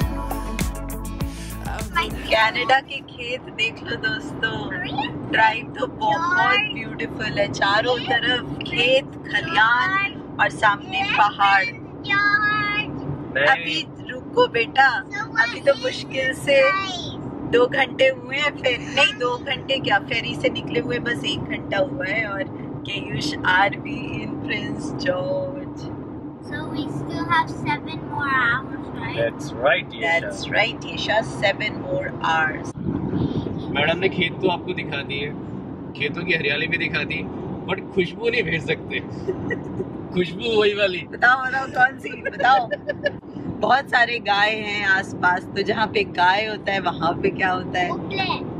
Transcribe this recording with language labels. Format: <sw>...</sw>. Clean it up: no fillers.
<hi>Canada के खेत देख लो दोस्तों, ड्राइव तो बहुत ब्यूटीफुल है, चारों तरफ खेत खलियान और सामने पहाड़। अभी रुको बेटा, अभी तो मुश्किल से 2 घंटे हुए हैं, फिर नहीं 2 घंटे क्या, फेरी से निकले हुए बस 1 घंटा हुआ है और</hi> <en>Keyush are B in Prince George. So we still have 7 more hours, right? That's right, Yesha. That's right, Yesha. 7 more hours.</en> <hi>Madam ने खेत तो आपको दिखा दिए, खेतों की हरियाली भी दिखा दी, बट खुशबू नहीं भेज सकते। खुशबू वही वाली। बताओ बताओ कौन सी? बताओ। बहुत सारे गाय हैं आसपास, तो जहाँ पे गाय होता है वहाँ पे क्या होता है?</hi>